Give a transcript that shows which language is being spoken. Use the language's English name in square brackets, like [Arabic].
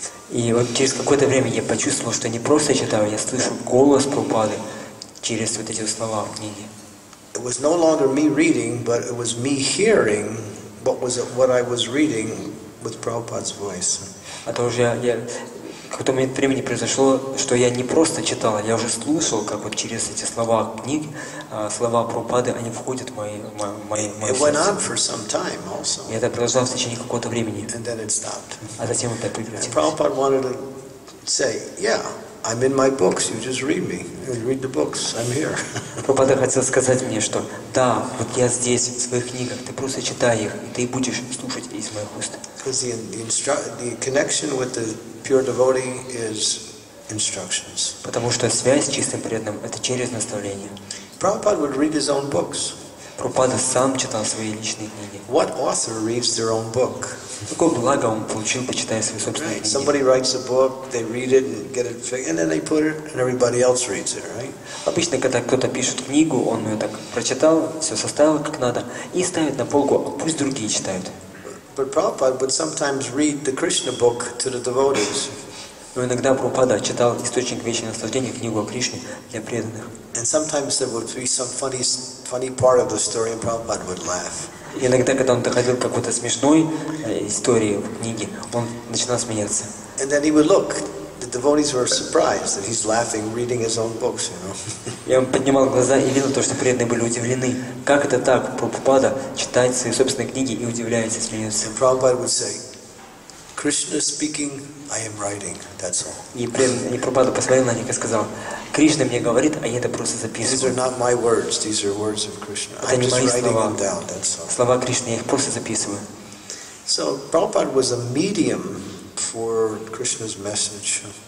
[Russian] И вот через какое-то время я почувствовал, что не просто читаю, я слышу голос Прабхупады через вот эти слова в книге. [English] It was no longer me reading, but it was me hearing what I was reading with Prabhupada's voice. [Russian] А то уже я какой-то момент времени произошло, что я не просто читал, я уже слушал, как вот через эти слова книг, слова Прабхупады, они входят в мои сердце. [English] It went on for some time also. [Russian] И это продолжалось в течение какого-то времени. [English] And then it stopped. [Russian] А затем это прекратилось. [English] Prabhupada wanted to say, yeah, I'm in my books, you just read me. You read the books, I'm here. [Russian] Прабхупада хотел сказать мне, что да, вот я здесь, в своих книгах, ты просто читай их, и ты будешь слушать из моих уст. [English] Because the connection with the pure devotee is instructions. [Russian] Потому что связь с чистым преданным это через наставление. [English] Prabhupada would read his own books. [Russian] Прабхупада сам читал свои личные книги. [English] What author reads their own book? [Russian] Какое благо он получил, почитая свои собственные книги? [English] Somebody writes a book, they read it and get it fixed, and then they put it, and everybody else reads it, right? [Russian] Обычно, когда кто-то пишет книгу, он ее так прочитал, все составил как надо, и ставит на полку, а пусть другие читают. [English] But Prabhupada would sometimes read the Krishna book to the devotees. [Russian] Но иногда Прабхупада читал источник вечного наслаждения, книгу о Кришне для преданных. [English] And sometimes there would be some funny part of the story, and Prabhupada would laugh. [Russian] Иногда, когда он доходил какой-то смешной истории в книге, он начинал смеяться. [English] And then he would look. The devotees were surprised that he's laughing, reading his own books. You know. [Russian] Я поднимал глаза и видел то, что преданные были удивлены. Как это так, Прабхупада читает свои собственные книги и удивляется, смеется. [English] And Prabhupada would say, "Krishna speaking, I am writing. That's all." [Russian] И Прабхупада посмотрел на них и сказал, "Кришна мне говорит, а я это просто записываю." [English] These are not my words. These are words of Krishna. [Russian] Это не мои слова. [English] Writing them down. That's all. [Russian] Слова Кришны я их просто записываю. [English] So Prabhupada was a medium for Krishna's message.